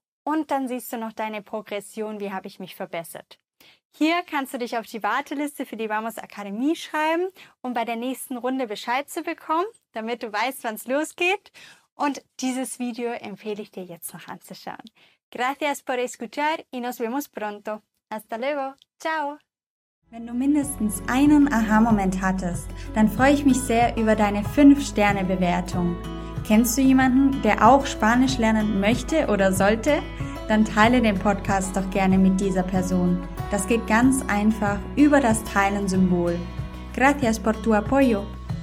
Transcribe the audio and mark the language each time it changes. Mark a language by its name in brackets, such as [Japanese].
[German] Und dann siehst du noch deine Progression, wie habe ich mich verbessert. Hier kannst du dich auf die Warteliste für die Vamos Akademie schreiben, um bei der nächsten Runde Bescheid zu bekommen, damit du weißt, wann es losgeht. Und dieses Video empfehle ich dir jetzt noch anzuschauen. [Spanish] Gracias por escuchar y nos vemos pronto. Hasta luego. Ciao. [German] Wenn du mindestens einen Aha-Moment hattest, dann freue ich mich sehr über deine 5-Sterne-Bewertung. Kennst du jemanden, der auch Spanisch lernen möchte oder sollte? Dann teile den Podcast doch gerne mit dieser Person. Das geht ganz einfach über das Teilen-Symbol. [Spanish] Gracias por tu apoyo.